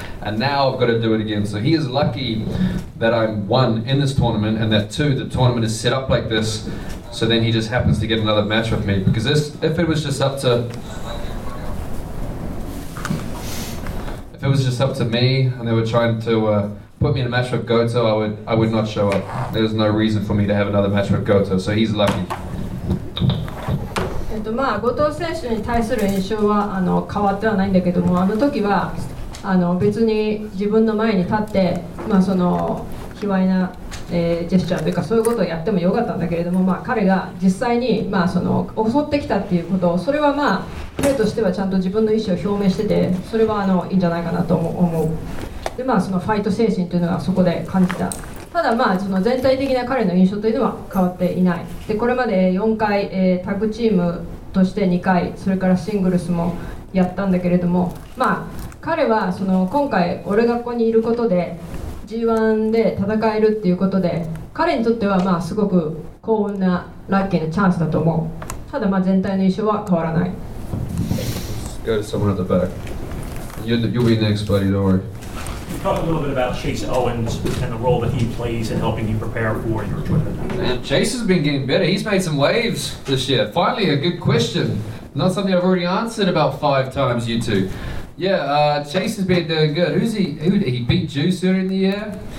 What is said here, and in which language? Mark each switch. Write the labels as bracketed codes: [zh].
[en] And now I've got to do it again. So he is lucky that I'm 1 in this tournament, and that 2, the tournament is set up like this. So then he just happens to get another match with me. Because this, if it was just up to me and they were trying to put me in a match with Goto, I would not show up. There's no reason for me to have another match with Goto. So he's lucky. [ja] まあ、後藤選手に対する印象はあの変わってはないんだけども、あの時はあの別に自分の前に立って、まあその卑猥なジェスチャーというかそういうことをやってもよかったんだけれども、まあ、彼が実際にまあその襲ってきたっていうこと、それはまあ彼としてはちゃんと自分の意思を表明してて、それはあのいいんじゃないかなと思う。でまあそのファイト精神というのはそこで感じた。ただまあその全体的な彼の印象というのは変わっていない。でこれまで4回、タッグチームとして2回それからシングルスもやったんだけれども、まあ彼はその今回俺がここにいることで G1 で戦えるっていうことで、彼にとってはまあすごく幸運なラッキーなチャンスだと思う。ただまあ全体の印象は変わらない。 [en] Go to someone at the back. You'll be next, buddy, don't worry Talk a little bit about Chase Owens and the role that he plays in helping you prepare for your tournament. Man, Chase has been getting better. He's made some waves this year. Finally, a good question. Not something I've already answered about five times, you two. Yeah, Chase has been doing good. Who's he? Who did he beat? Juice earlier in the year?